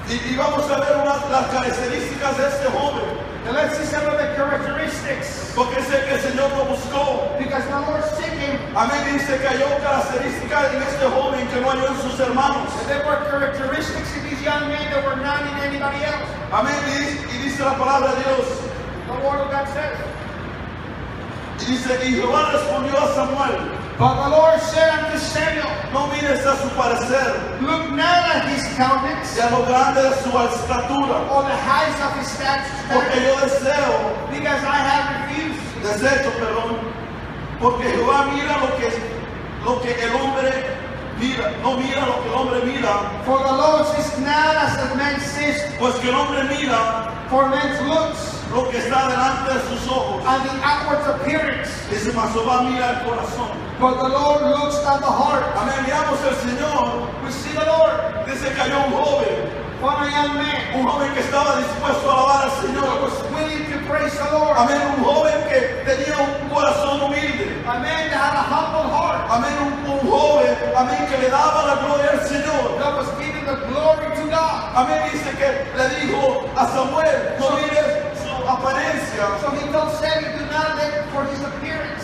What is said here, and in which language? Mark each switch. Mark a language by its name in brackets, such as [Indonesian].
[Spanish] Y vamos a ver las características de este joven. [English] And let's see some of the characteristics. [Spanish] Porque sé que el Señor lo buscó. [English] Because the Lord seek him. [Spanish] Amén. Dice que halló características en este joven que no halló en sus hermanos. [English] And there were characteristics in this young man that were not in anybody else. [Spanish] Amén. Y dice la palabra de Dios. [English] The word of God says. [Spanish] Y dice, y Jehová respondió a Samuel. [English] But the Lord said unto Samuel, [Spanish] no mires a su parecer, [English] look not at his countenance, [Spanish] y a lo grande de su estatura, [English] or the height of his stature, [Spanish] porque yo deseo, [English] because I have refused, [Spanish] desecho, perdón, porque Jehová mira lo que el hombre mira, no mira lo que el hombre mira, [English] for the Lord sees not as the man sees, [Spanish] pues que el hombre mira, [English] for man's looks, [Spanish] lo que está delante de sus ojos, [English] and the outward appearance, [Spanish] dice, mas Jehová mira el corazón. [English] But the Lord looks at the heart. [Spanish] Amen. Miramos al Señor. [English] We see the Lord. [Spanish] Dice que halló un joven. [English] Found a young man. [Spanish] Un joven que estaba dispuesto a alabar al Señor. [English] That was willing to praise the Lord. [Spanish] Amen. Un joven que tenía un corazón humilde. [English] Amen. That had a humble heart. [Spanish] Amen. Un joven. Amen. Que le daba la gloria al Señor. [English] That was giving the glory to God. [Spanish] Amen. Dice que le dijo a Samuel, no mires su apariencia. [English] So he told Samuel, do not look for his appearance.